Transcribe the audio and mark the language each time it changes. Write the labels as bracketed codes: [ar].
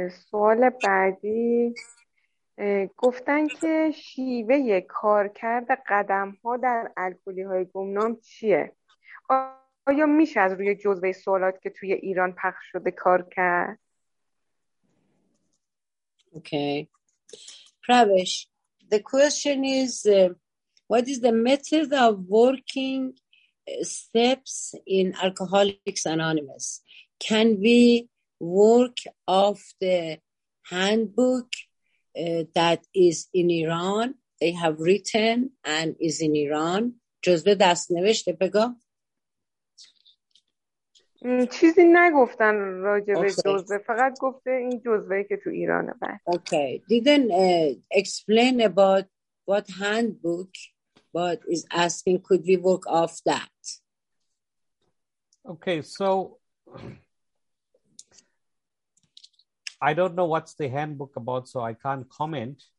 [fa] سوال بعدی گفتن که شیوه کارکرد قدم ها در الکلی های گمنام چیه؟ آیا میشه از روی جزوه سوالات که توی ایران پخش شده کار کرد؟ [en] Okay. پروش، the question is what is the method of working steps in Alcoholics Anonymous? Can we work off the handbook that is in Iran, they have written and is in Iran? [fa] جزوه دست نوشته بگو. چیزی نگفتن راجع به جزوه، فقط گفته این جزوهی که تو ایرانه. [en] Okay. Didn't explain about what handbook, but is asking could we work off that. Okay, so I don't know what's the handbook about, so I can't comment.